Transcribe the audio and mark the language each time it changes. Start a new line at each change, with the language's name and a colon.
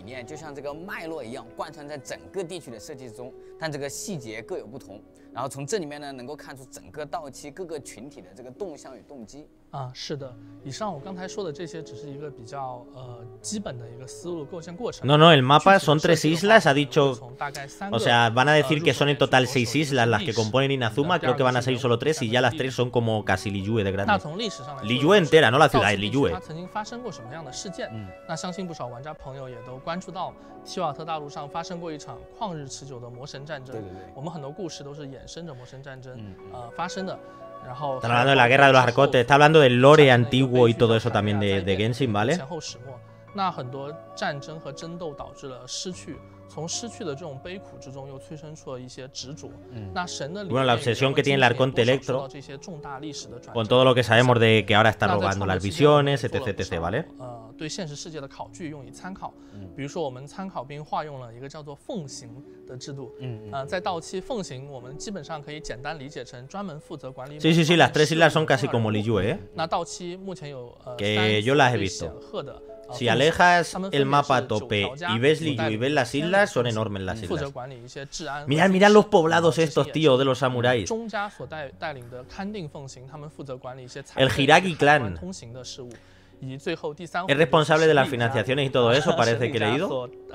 Chinese: 就像这个脉络一样，贯穿在整个地区的设计中，但这个细节各有不同。然后从这里面呢，能够看出整个道奇各个群体的这个动向与动机。啊，是的，以上我刚才说的这些只是一个比较基本的一个思路构建过程。
Spanish: No, el mapa son tres islas, ha dicho. O sea, van a decir que son en total seis islas las que componen Inazuma, creo que van a ser solo tres y ya las tres son como casi Liyue de grande.
Chinese: 那从历史上来说
Spanish: ，Liyue entera, no la ciudad, Liyue.
Chinese: 它曾经发生过什么样的事件？那相信不少玩家朋友也都关注到，提瓦特大陆上发生过一场旷日持久的魔神战争。对对对。我们很多故事都是衍生着魔神战争发生的。
Spanish: Está hablando de la guerra de los arcotes, está hablando del lore antiguo y todo eso también de Genshin, ¿vale?
Chinese: 前后始末，那很多战争和争斗导致了失去，从失去的这种悲苦之中又催生出了一些执着。那神的
Spanish: Bueno, la obsesión que tiene el arconte Electro, con todo lo que sabemos de que ahora está robando las visiones, etc, ¿vale?
Chinese: 对现实世界的考据用以参考，比如说我们参考并化用了一个叫做奉行的制度。在道奇奉行，我们基本上可以简单理解成专门负责管理。
Spanish: Sí, las tres islas son casi como Liyue.
Chinese: 那道奇目前有
Spanish: Que yo las he visto. Si alejas el mapa a tope y ves Liyue y ves las islas, son enormes las islas. Mira los poblados estos, tío, de los samuráis.
Chinese: 中家所带领的勘定奉行，他们负责管理一些
Spanish: El Hiragi Clan.
Chinese: 通行的事务。以最后第三
Spanish: es responsable de las financiaciones y todo eso, parece que he leído.